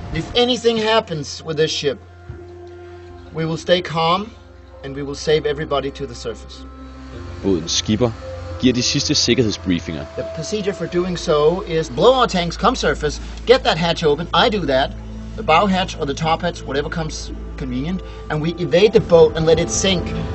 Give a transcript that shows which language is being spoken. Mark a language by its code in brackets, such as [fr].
[en] If anything happens with this ship, we will stay calm and we will save everybody to the surface. [da] Bådens skipper giver de sidste sikkerhedsbriefinger. [en] The procedure for doing so is blow our tanks, come surface, get that hatch open. I do that. The bow hatch or the top hatch, whatever comes convenient, and we evade the boat and let it sink.